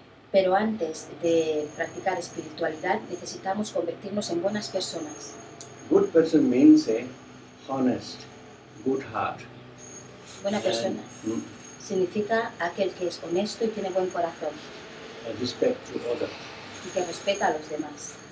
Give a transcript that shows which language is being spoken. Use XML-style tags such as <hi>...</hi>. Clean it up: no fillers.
<es>Pero antes de practicar espiritualidad, necesitamos convertirnos en buenas personas.</es> <en>Good person means honest, good heart.</en> <es>Buena persona. And, significa aquel que es honesto y tiene buen corazón.</es> <en>Respect to others.</en> <es>Y que respeta a los demás.</es>